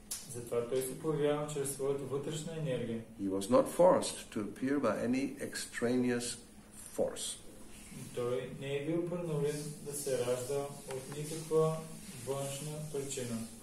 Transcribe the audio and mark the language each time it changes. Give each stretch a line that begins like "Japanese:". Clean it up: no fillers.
Bulgarian: Затова той се появява чрез своята вътрешна енергия.
English: He was not forced to appear by any extraneous force.
Bulgarian: Той не е бил принуден да се ражда от никаква външна причина.